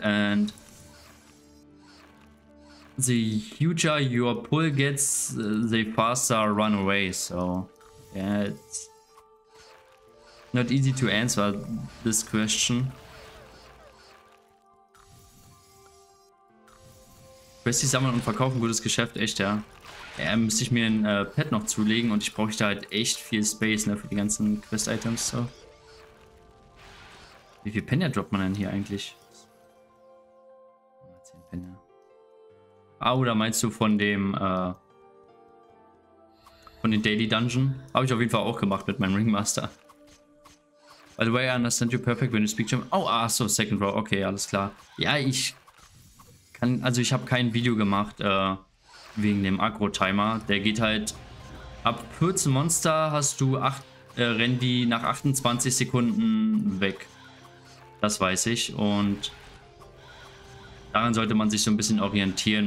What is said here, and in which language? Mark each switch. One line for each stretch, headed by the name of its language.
English: And the huger your pull gets, the faster run away. So, yeah, it's not easy to answer this question.
German: Questi sammeln und verkaufen, gutes Geschäft, echt, ja. Ja, müsste ich mir ein Pad noch zulegen und ich brauche da halt echt viel Space, ne, für die ganzen Quest-Items, so. Wie viel Penner droppt man denn hier eigentlich? 10 Penner. Ah, oder meinst du von dem, von den Daily Dungeon? Habe ich auf jeden Fall auch gemacht mit meinem Ringmaster.
English: By the way, I understand you perfect when you speak German. Oh, ah, so, second row, okay,
German: alles klar. Ja, ich kann, also ich habe kein Video gemacht, wegen dem Aggro-Timer. Der geht halt ab 14 Monster hast du 8, rennen die nach 28 Sekunden weg. Das weiß ich. Und daran sollte man sich so ein bisschen orientieren.